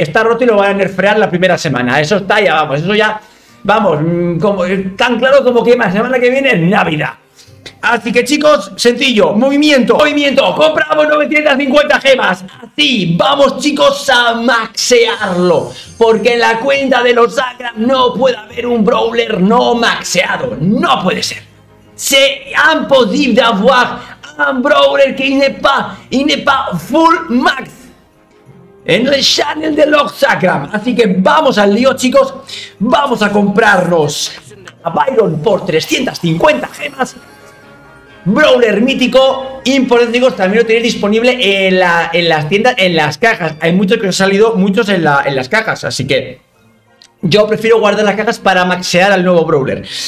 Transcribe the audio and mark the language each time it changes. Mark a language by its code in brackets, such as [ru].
[es] Está roto y lo van a nerfear la primera semana. Eso está ya, vamos, eso ya, vamos, como tan claro como que la semana que viene es Navidad. Así que, chicos, sencillo, movimiento, compramos 950 gemas. Así, vamos, chicos, a maxearlo, porque en la cuenta de los Sacram no puede haber un Brawler no maxeado. No puede ser. [fr] C'est impossible d'avoir un Brawler que n'est pas full max [es] en el channel [fr] de Lord Sacram. [es] Así que vamos al lío, chicos. Vamos a comprarnos a Byron por 350 gemas. Brawler mítico, importante, chicos, también lo tenéis disponible en las tiendas, en las cajas. Hay muchos que han salido, muchos en las cajas, así que yo prefiero guardar las cajas para maxear al nuevo Brawler.